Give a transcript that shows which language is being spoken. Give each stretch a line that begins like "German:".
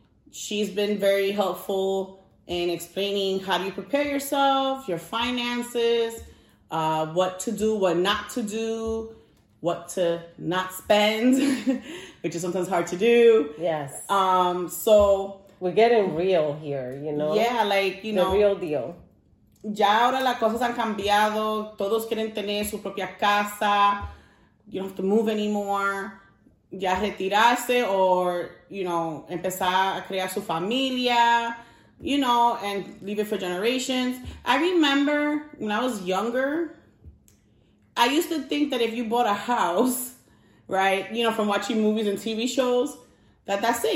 English: She's been very helpful in explaining how do you prepare yourself, your finances, what to do, what not to do, what to not spend, which is sometimes hard to do. Yes. So we're getting real here, you know? Yeah, like, you know. The real deal.
Spanish: Ya ahora las cosas han cambiado. Todos quieren tener su propia casa.
English: You don't have to move anymore.
Spanish: Ya retirarse
English: or, you know,
Spanish: empezar a crear su familia,
English: you know, and leave it for generations. I remember when I was younger, I used to think that if you bought a house, right, you know, from watching movies and TV shows, that's it.